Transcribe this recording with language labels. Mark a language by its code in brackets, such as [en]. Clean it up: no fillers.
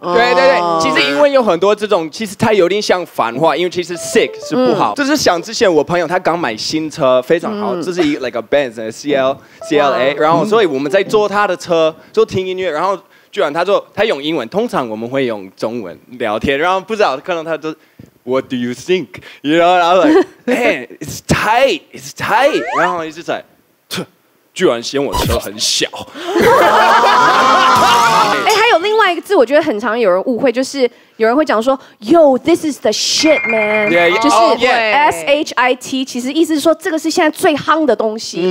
[zh] 对对对，其实英文有很多这种，其实它有点像繁话，因为其实 sick 是不好。就是想之前我朋友他刚买新车，非常好，这是一个 [en] like a Benz CLA， [zh] 然后所以我们在坐他的车，就听音乐，然后居然他就他用英文，通常我们会用中文聊天，然后不知道可能他就。 [en] What do you think? You know, and I was like, man, it's tight, it's tight. [zh] 然后就在，居然嫌我车很小。哎，还有另外一个字，我觉得很常有人误会，就是有人会讲说 ， [en] Yo, this is the shit, man. Yeah, [zh] 就是 S H I T， 其实意思是说这个是现在最夯的东西。